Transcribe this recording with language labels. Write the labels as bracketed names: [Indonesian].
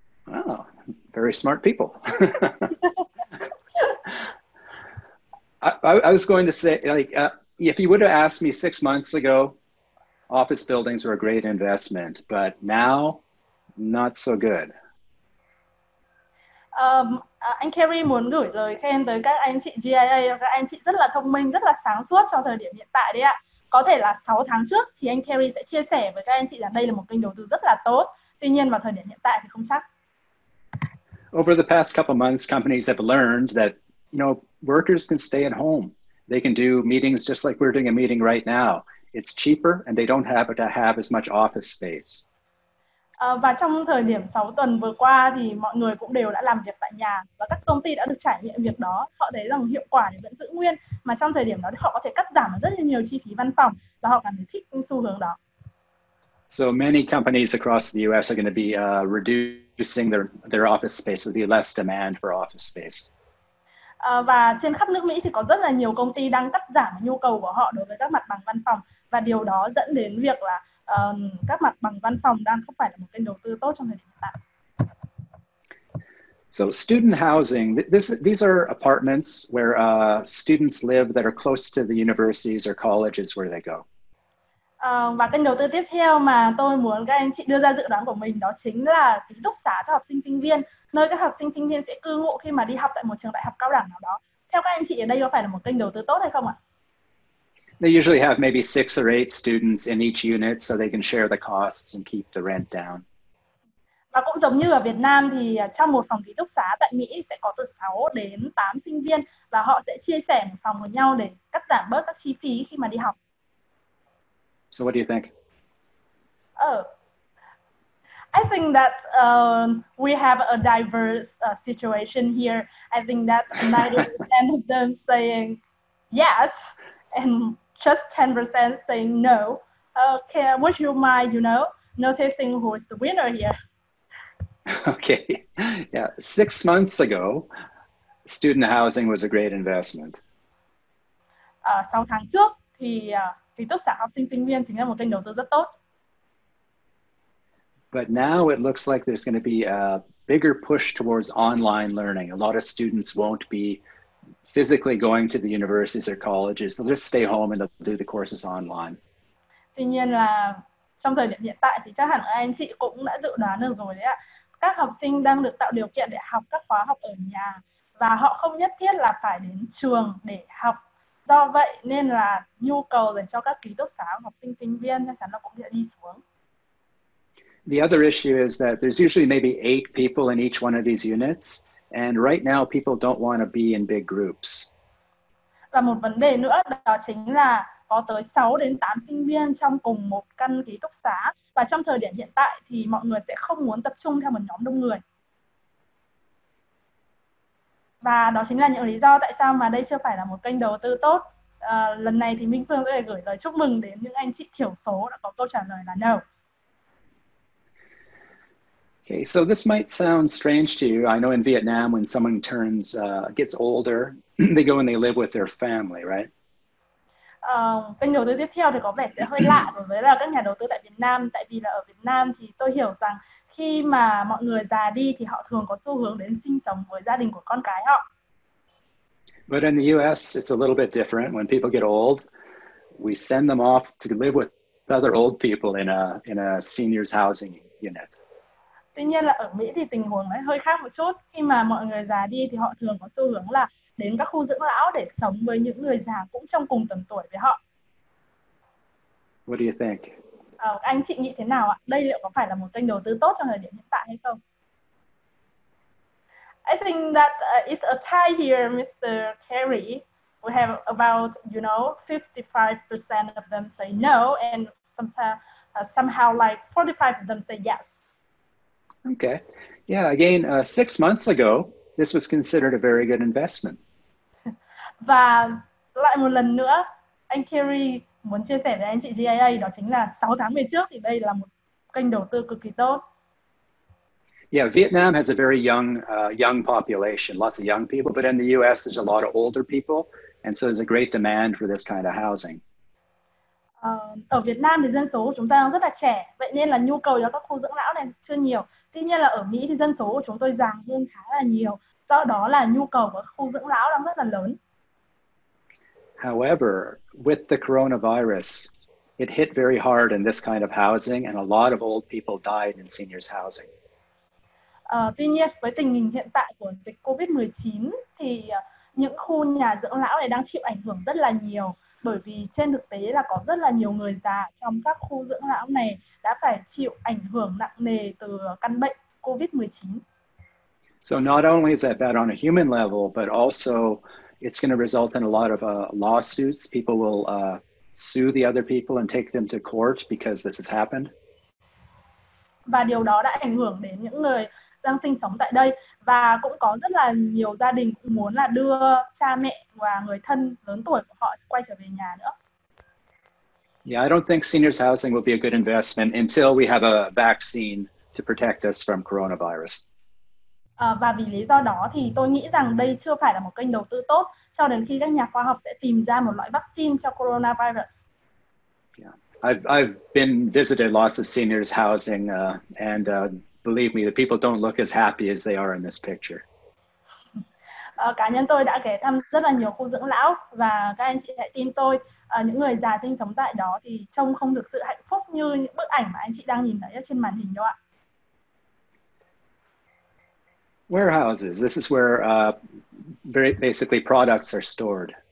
[English] Oh, very smart people. I was going to say, if you would have asked me 6 months ago, office buildings were a great investment, but now, not so good. [Vietnamese] Anh Carey muốn gửi lời khen tới các anh chị GIA, các anh chị rất là thông minh, rất là sáng suốt trong thời điểm hiện tại đấy ạ. Có thể là 6 tháng trước thì anh Carey sẽ chia sẻ với các anh chị rằng đây là một kênh đầu tư rất là tốt. Tuy nhiên vào thời điểm hiện tại thì không chắc. [English] Over the past couple months, companies have learned that, you know, workers can stay at home. They can do meetings just like we're doing a meeting right now. It's cheaper and they don't have to have as much office space. [Vietnamese] Và trong thời điểm 6 tuần vừa qua thì mọi người cũng đều đã làm việc tại nhà và các công ty đã được trải nghiệm việc đó. Họ thấy rằng hiệu quả thì vẫn giữ nguyên, mà trong thời điểm đó thì họ có thể cắt giảm rất là nhiều chi phí văn phòng và họ cảm thấy thích xu hướng đó. [English] So many companies across the US are going to be reducing their office space, there'll be less demand for office space. [Vietnamese] Và trên khắp nước Mỹ thì có rất là nhiều công ty đang cắt giảm nhu cầu của họ đối với các mặt bằng văn phòng, và điều đó dẫn đến việc là các mặt bằng văn phòng đang không phải là một kênh đầu tư tốt trong thời điểm hiện tại. [English] So student housing, these are apartments where students live that are close to the universities or colleges where they go. [Vietnamese] Và kênh đầu tư tiếp theo mà tôi muốn các anh chị đưa ra dự đoán của mình đó chính là ký túc xá cho học sinh sinh viên, nơi các học sinh sinh viên sẽ cư ngụ khi mà đi học tại một trường đại học cao đẳng nào đó. Theo các anh chị ở đây có phải là một kênh đầu tư tốt hay không ạ? [English] They usually have maybe 6 or 8 students in each unit so they can share the costs and keep the rent down. [Vietnamese] Và cũng giống như ở Việt Nam thì trong một phòng ký túc xá tại Mỹ sẽ có từ 6 đến 8 sinh viên và họ sẽ chia sẻ một phòng với nhau để cắt giảm bớt các chi phí khi mà đi học. [English] So what do you think? Oh, I think that we have a diverse situation here. I think that 90% of them saying yes and just 10% saying no. Okay, would you mind, you know, noticing who is the winner here? Okay, yeah. 6 months ago, student housing was a great investment. [Vietnamese] 6 tháng trước thì ký túc xá học sinh sinh viên chính là một kênh đầu tư rất tốt. [English] But now it looks like there's going to be a bigger push towards online learning. A lot of students won't be physically going to the universities or colleges. They'll just stay home and they'll do the courses online. [Vietnamese] Tuy nhiên là trong thời điểm hiện tại thì chắc hẳn anh chị cũng đã dự đoán được rồi đấy ạ. Các học sinh đang được tạo điều kiện để học các khóa học ở nhà và họ không nhất thiết là phải đến trường để học. Do vậy nên là nhu cầu dành cho các ký túc xá học sinh sinh viên chắc chắn là cũng sẽ đi xuống. [English] The other issue is that there's usually maybe 8 people in each one of these units and right now people don't want to be in big groups. [Vietnamese] Và một vấn đề nữa đó chính là có tới 6 đến 8 sinh viên trong cùng một căn ký túc xá và trong thời điểm hiện tại thì mọi người sẽ không muốn tập trung theo một nhóm đông người. Và đó chính là những lý do tại sao mà đây chưa phải là một kênh đầu tư tốt. Lần này thì Minh Phương sẽ gửi lời chúc mừng đến những anh chị thiểu số đã có câu trả lời là no. [English] Okay, so this might sound strange to you. I know in Vietnam when someone turns gets older, they go and they live with their family, right? [Vietnamese] Kênh đầu tư tiếp theo thì có vẻ sẽ hơi lạ đối với là các nhà đầu tư tại Việt Nam. Tại vì là ở Việt Nam thì tôi hiểu rằng khi mà mọi người già đi thì họ thường có xu hướng đến sinh sống với gia đình của con cái họ. [English] But in the US, it's a little bit different. When people get old, we send them off to live with other old people in a seniors housing unit. [Vietnamese] Tuy nhiên là ở Mỹ thì tình huống lại hơi khác một chút. Khi mà mọi người già đi thì họ thường có xu hướng là đến các khu dưỡng lão để sống với những người già cũng trong cùng tầm tuổi với họ. [English] What do you think? [Vietnamese] Anh chị nghĩ thế nào ạ? Đây liệu có phải là một kênh đầu tư tốt trong thời điểm hiện tại hay không? [English] I think that it's a tie here, Mr. Carey. We have about, you know, 55% of them say no and somehow like 45% of them say yes. Okay. Yeah, again, 6 months ago, this was considered a very good investment. [Vietnamese] Và lại một lần nữa, anh Carey muốn chia sẻ với anh chị GIA đó chính là 6 tháng về trước thì đây là một kênh đầu tư cực kỳ tốt. [English] Yeah, Vietnam has a very young population, lots of young people, but in the US there's a lot of older people and so there's a great demand for this kind of housing. [Vietnamese] Ở Việt Nam thì dân số của chúng ta rất là trẻ, vậy nên là nhu cầu cho các khu dưỡng lão này chưa nhiều. Tuy nhiên là ở Mỹ thì dân số của chúng tôi già hơn khá là nhiều, do đó là nhu cầu của khu dưỡng lão đang rất là lớn. [English] However, with the coronavirus, it hit very hard in this kind of housing and a lot of old people died in seniors housing. [Vietnamese] Tuy nhiên, với tình hình hiện tại của dịch COVID-19 thì những khu nhà dưỡng lão này đang chịu ảnh hưởng rất là nhiều bởi vì trên thực tế là có rất là nhiều người già trong các khu dưỡng lão này đã phải chịu ảnh hưởng nặng nề từ căn bệnh COVID-19. [English] So not only is that bad on a human level, but also it's going to result in a lot of lawsuits. People will sue the other people and take them to court because this has happened. [Vietnamese] Và điều đó đã ảnh hưởng đến những người đang sinh sống tại đây và cũng có rất là nhiều gia đình cũng muốn là đưa cha mẹ và người thân lớn tuổi của họ quay trở về nhà nữa. [English] Yeah, I don't think seniors housing will be a good investment until we have a vaccine to protect us from coronavirus. [Vietnamese] Và vì lý do đó thì tôi nghĩ rằng đây chưa phải là một kênh đầu tư tốt cho đến khi các nhà khoa học sẽ tìm ra một loại vaccine cho coronavirus. [English] Yeah. I've been visited lots of seniors housing and believe me, the people don't look as happy as they are in this picture. [Vietnamese] Cá nhân tôi đã ghé thăm rất là nhiều khu dưỡng lão và các anh chị hãy tin tôi, những người già sinh sống tại đó thì trông không được sự hạnh phúc như những bức ảnh mà anh chị đang nhìn thấy ở trên màn hình đâu ạ. [English] Warehouses. This is where basically products are stored.